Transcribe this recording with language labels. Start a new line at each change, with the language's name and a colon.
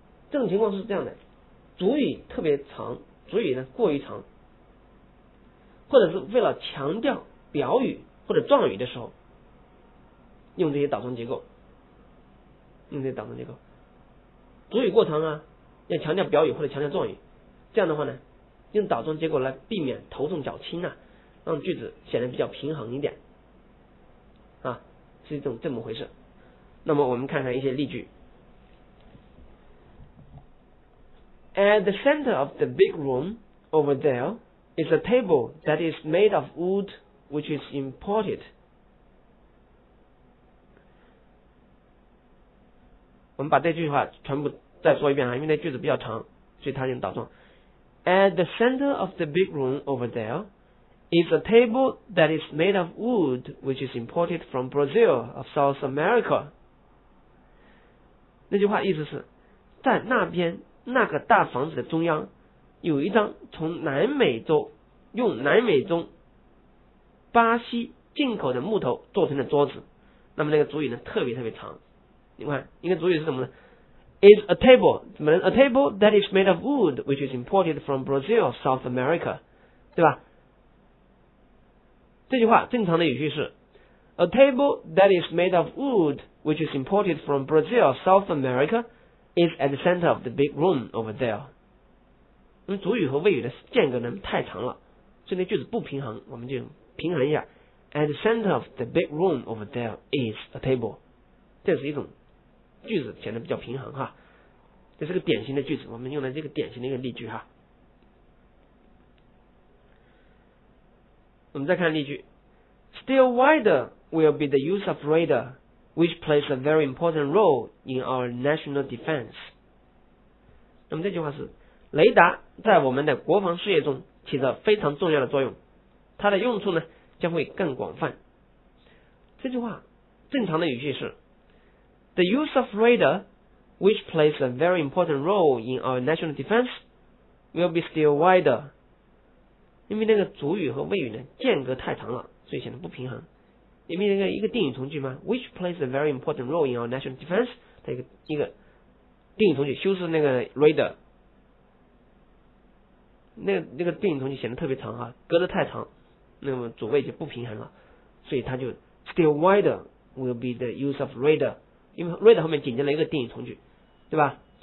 Chinese: 这种情况是这样的，主语特别长，主语呢过于长，或者是为了强调表语或者状语的时候，用这些倒装结构，用这些倒装结构，主语过长啊，要强调表语或者强调状语，这样的话呢，用倒装结构来避免头重脚轻啊，让句子显得比较平衡一点，啊，是一种这么回事。那么我们看看一些例句。
English: At the center of the big room over there is a table that is made of wood which is imported.
Chinese: 我们把这句话全部再说一遍啊，因为那句子比较长，所以它用倒装。
English: At the center of the big room over there is a table that is made of wood which is imported from Brazil of South America.
Chinese: 那句话意思是，在那边那个大房子的中央有一张从南美洲用南美洲巴西进口的木头做成的桌子。那么那个主语呢特别特别长，你看一个主语是什么呢？
English: Is a table
Chinese: 怎么
English: a table that is made of wood which is imported from Brazil of South America,
Chinese: 对吧？这句话正常的语句是
English: A table that is made of wood which is imported from Brazil of South AmericaIs at the center of the big room over there.
Chinese: 因为主语和谓语的间隔呢太长了，所以那句子不平衡，我们就平衡一下。
English: At the center of the big room over there is a table.
Chinese: 这是一种句子显得比较平衡哈，这是个典型的句子，我们用了这个典型的一个例句哈。我们再看例句。
English: Still wider will be the use of radar. Which plays a very important role in our national defense.
Chinese: 那么这句话是，雷达在我们的国防事业中起着非常重要的作用，它的用处呢将会更广泛。这句话正常的语句是
English: ，The use of radar, which plays a very important role in our national defense, will be still wider.
Chinese: 因为那个主语和谓语呢间隔太长了，所以显得不平衡。因为一个定语从句嘛 ，
English: which plays a very important role in our national defense，
Chinese: 它一个定语从句修饰那个 radar， 那个定语从句显得特别长哈，隔得太长，那么主谓就不平衡了，所以它就
English: still wider will be the use of radar，
Chinese: 因为 radar 后面紧接了一个定语从句，对吧？